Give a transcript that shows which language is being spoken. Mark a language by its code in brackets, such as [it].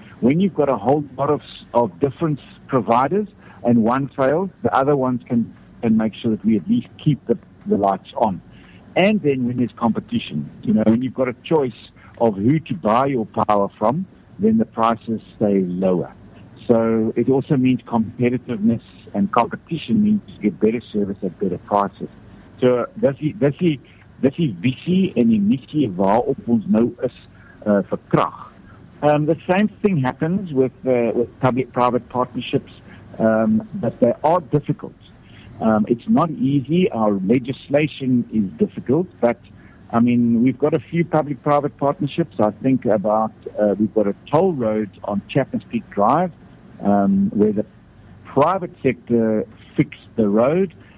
[en] When you've got a whole lot of different providers and one fails, the other ones can make sure that we at least keep the lights on. And then when there's competition, you know, when you've got a choice of who to buy your power from, then the prices stay lower. So it also means competitiveness, and competition means you get better service at better prices. [af] So dis die visie en die missie waarop ons nou is vir krag. [en] The same thing happens with public-private partnerships, but they are difficult. It's not easy. Our legislation is difficult, but, I mean, we've got a few public-private partnerships. I think about we've got a toll road on Chapman's Peak Drive where the private sector fixed the road.